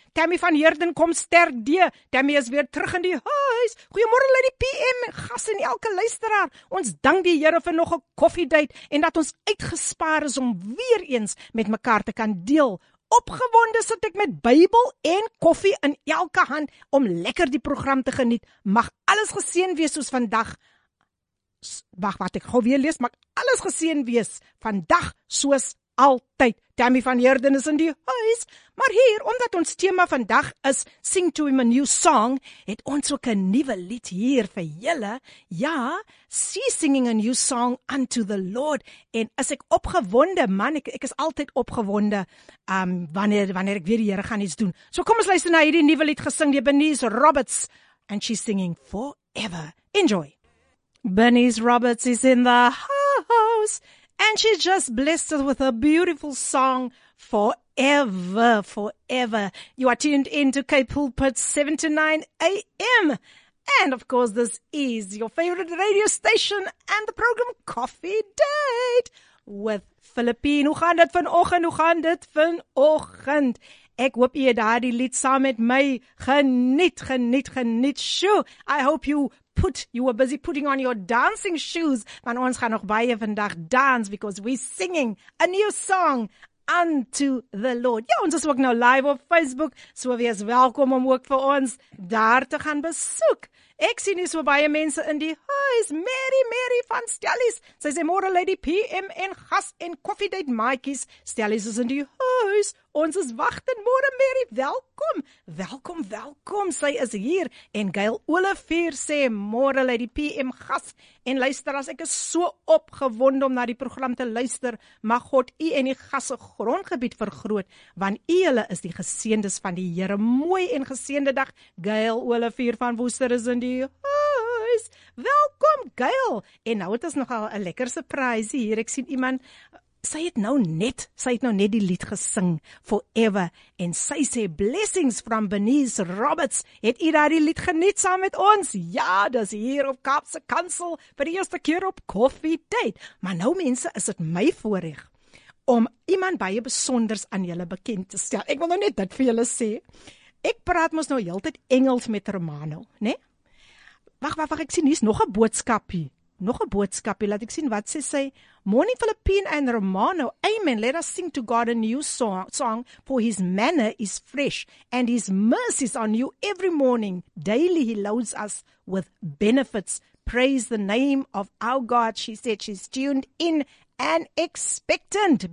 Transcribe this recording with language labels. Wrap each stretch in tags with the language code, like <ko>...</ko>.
<af>Tammy van Heerden kom sterk deur. Tammy is weer terug in die huis. Goeiemôre aan die PM, gas en elke luisteraar. Ons dank die Here vir nog 'n koffiedייט en dat ons uitgespaar is om weer eens met mekaar te kan deel Opgewonde sit ek met Bybel en koffie in elke hand om lekker die program te geniet. Mag alles geseën wees soos vandag. Wag, wat ek gou weer lees, mag alles geseën wees vandag soos altyd. Tammy van Heerden is in die huis. Maar hier, omdat ons tema vandag is</af> <en>Sing to Him a New Song,</en> <af>het ons ook 'n nuwe lied hier vir julle.</af> <en>Ja, See Singing a New Song Unto the Lord.</en> <af>En as ek opgewonde, man, ek is altyd opgewonde wanneer ek weer die Here gaan iets doen. So kom ons luister na hierdie nuwe lied gesing deur Bernice Roberts</af> <en>and she's singing Forever. Enjoy. Bernice Roberts is in the house. And she just blessed us with a beautiful song, Forever, Forever. You are tuned in to K-Pulpit 7 to 9 a.m. And of course, this is your favorite radio station and the program Coffee Date with Philippine.</en> <af>Hoe gaan dit vanoggend? Hoe gaan dit vanoggend? Ek hoop jy daardie lied saam met my geniet. Shoo.</af> <en>I hope you were busy putting on your dancing shoes.</en> <af>Want ons gaan nog baie vandag dance</af> <en>because we're singing a new song unto the Lord.</en> <af>Ja, ons is ook nou live op Facebook. So wees welkom om ook vir ons daar te gaan besoek. Ek sien hier so baie mense in die huis. Mary van Stellies. Sy sê môre Lady PM en gas en Coffee Date maatjies. Stellies is in die huis. Ons is wagtend. Môre Mary, welkom. Welkom. Sy is hier. En Gail Olivier sê môre Lady PM gas. En luister, as ek is so opgewonde om na die program te luister, mag God u en die gasse grondgebied vergroot, want u hulle is die geseëndes van die Here. Mooi en geseënde dag. Gail Olivier van Woester is in die huis. Welkom, Gail. En nou het ons nogal 'n lekker surprise hier. Ek sien iemand, sy het nou net die lied gesing, Forever. En sy sê,</af> <en>blessings from</en> <af>Bernice Roberts. Het u daar die lied geniet saam met ons? Ja, dis hier op Kaapse Kansel vir die eerste keer op Coffee Date. Maar nou, mense, is het my voorreg om iemand baie besonders aan julle bekend te stel. Ek wil nou net dit vir julle sê. Ek praat mos nou heeltyd Engels met Romano, né? Wag, ek sien hier's nog 'n boodskapie. Laat ek sien wat sê sy.</af> <en>Morning Philippine and Romano. Amen. Let us sing to God a new song for his manner is fresh and his mercies are new every morning. Daily he loads us with benefits. Praise the name of our God. She said she's tuned in and expectant.</en>